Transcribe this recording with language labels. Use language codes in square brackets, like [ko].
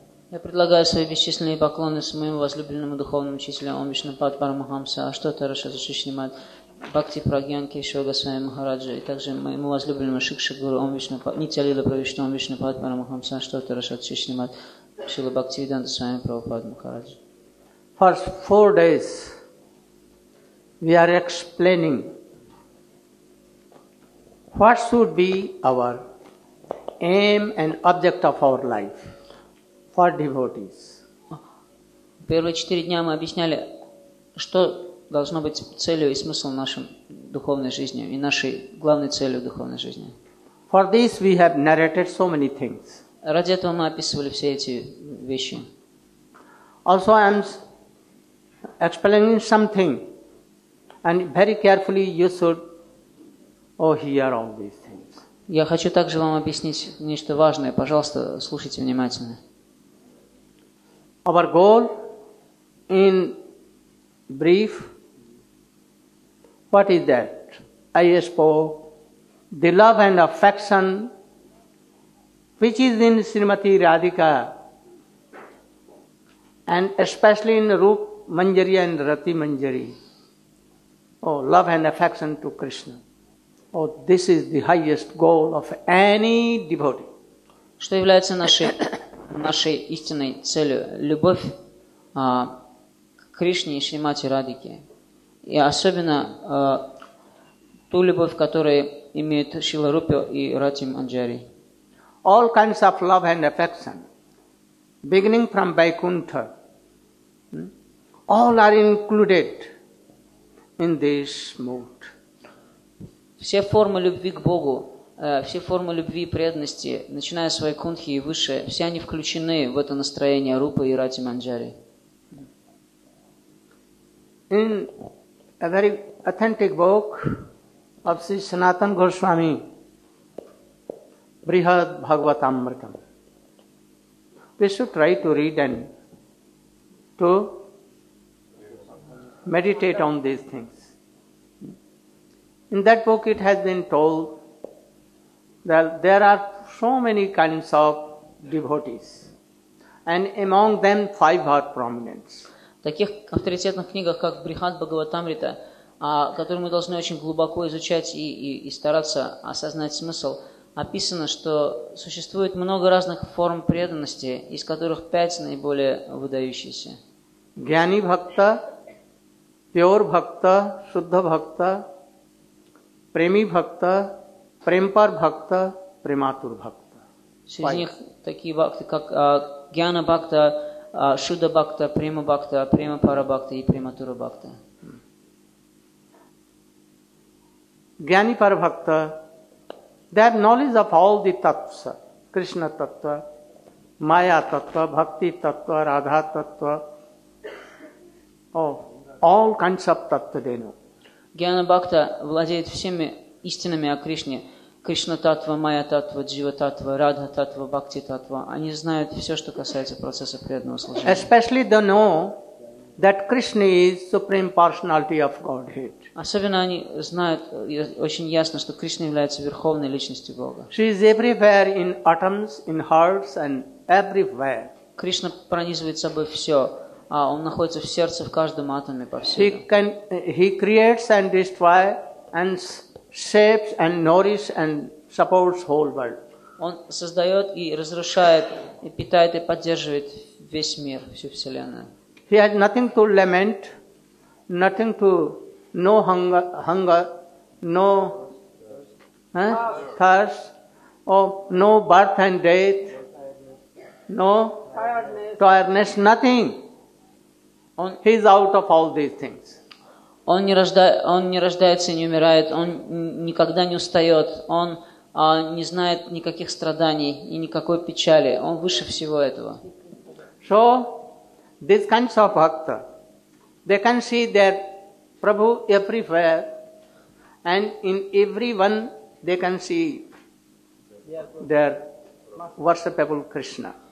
[ru] Я предлагаю свои бесчисленные поклоны своему возлюбленному духовному учителю Ом Вишну Пад Парамахамса, Аштота Раша Зашишнимат, Бхакти Прагьян Кейшва Госвами Махараджа, и также моему возлюбленному Шикша Гуру Ом Вишну Пад, Нитья Лила Правишна Ом Вишну Пад Парамахамса, Аштота Раша Зашишнимат, Шила Бхакти Виданта Свами Прабхупад Махараджа. [en] For 4 days, we are explaining what should be our aim and object of our life for devotees. [ru] Первые 4 дня мы объясняли, что должно быть целью и смыслом нашей духовной жизни и нашей главной целью духовной жизни. [en] For this, we have narrated so many things. [ru] Ради этого мы описывали все эти вещи. [en] Also, I am explaining something, and very carefully you should hear all these things. [ru] Я хочу также вам объяснить нечто важное. Пожалуйста, слушайте внимательно. [en] Our goal, in brief, what is that? I spoke the love and affection which is in Srimati Radhika, and especially in Rup Manjari and Rati Manjari. Oh, love and affection to Krishna. Oh, this is the highest goal of any devotee. [ru] Что является нашей истинной целью? Любовь к Кришне и Шримати Радике. И особенно ту любовь, которую имеют Шрила Рупи и Рати Манджари. [en] All kinds of love and affection, beginning from Vaikuntha, all are included in this mood. [ru] Все формы любви к Богу, все формы любви и преданности, начиная с Вайкунтхи и выше, все они включены в это настроение Рупы и Рати Манджари. [en] In a very authentic book of Sri Sanatan Goswami, Brihad Bhagavatamritam, we should try to read and to meditate on these things. In that book it has been told that there are so many kinds of devotees, and among them five are prominent. [ru] В таких авторитетных книгах, как Брихад Бхагаватамрита, которые мы должны очень глубоко изучать и стараться осознать смысл, описано, что существует много разных форм преданности, из которых пять наиболее выдающиеся. Гьяни бхакта, пьор бхакта, шуддха бхакта, преми бхакта, премпар бхакта, прематур бхакта. Среди них такие бхакты, как гьяна бхакта, Шуда Бхакта, Према Бхакта, Према Пара Бхакта и Прематура Бхакта. [en] Гьяни Пара Бхакта, they have knowledge of all the tattvas, Krishna tattva, Maya tattva, Bhakti tattva, Radha tattva, all kinds of tattva they know. [ru] Гьяна Бхакта владеет всеми истинами о Кришне. Кришна таттва, Майя таттва, Джива таттва, Радха таттва, Бхакти таттва. Они знают все, что касается процесса преданного служения. [en] Especially they know that Krishna is supreme personality of Godhead. [ru] Особенно они знают очень ясно, что Кришна является верховной личностью Бога. [en] She is everywhere in atoms, in hearts, and everywhere. [ru] Кришна пронизывает собой все, а он находится в сердце, в каждом атоме повсюду. [en] He creates and destroys and shapes and nourish and supports whole world. [ru] Он создает и разрушает, и питает и поддерживает весь мир, всю вселенную. [en] He has nothing to lament, nothing to no hunger, no thirst, no birth and death, no tiredness, nothing. He is out of all these things. [ru] Он не рождается и не умирает, он никогда не устает, он не знает никаких страданий и никакой печали, он выше всего этого. [en] So, these kinds of bhakta, they can see their Prabhu everywhere, and in everyone they can see their worshipable Krishna.